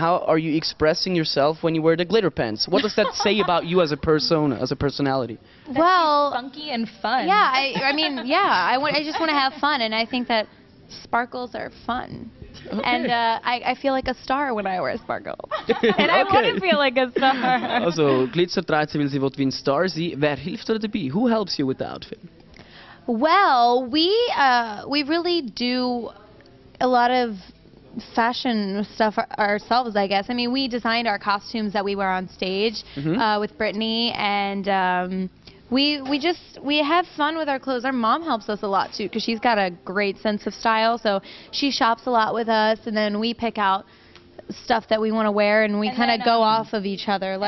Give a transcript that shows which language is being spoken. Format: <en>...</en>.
<en>How are you expressing yourself when you wear the glitter pants? What does that say about you as a persona, as a personality? Well, funky and fun. Yeah, I just want to have fun, and I think that sparkles are fun. Okay. And I feel like a star when I wear a sparkle. And I want to feel like a star.</en> <de>Also, Glitzer 13 will sie wie ein Star sein. Wer hilft dir dabei?</de> <en>Who helps you with the outfit? Well, we really do a lot of fashion stuff ourselves, I guess. I mean, we designed our costumes that we wear on stage with Brittany, and we have fun with our clothes. Our mom helps us a lot too because she's got a great sense of style, so she shops a lot with us and then we pick out stuff that we want to wear and we kind of go off of each other.</en>